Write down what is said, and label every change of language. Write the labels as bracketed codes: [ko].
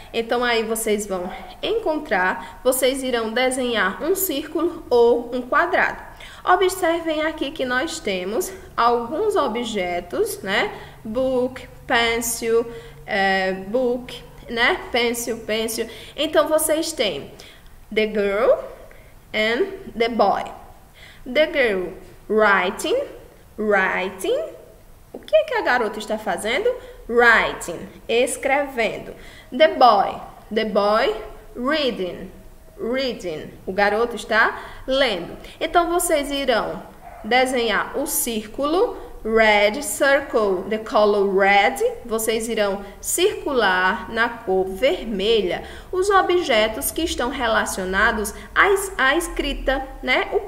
[pt] Então aí vocês vão encontrar, vocês irão desenhar um círculo ou um quadrado. Observem aqui que nós temos alguns objetos, né? [en] Book, pencil, book, né? Pencil, pencil. [pt] Então vocês têm [en] the girl and the boy. The girl writing, writing. [pt] O que é que a garota está fazendo? [en] Writing, [pt] escrevendo. [en] The boy, reading, reading. [pt] O garoto está lendo. Então vocês irão desenhar o círculo [en] red, circle, the color red, [pt] vocês irão circular na cor vermelha os objetos que estão relacionados à escrita, né?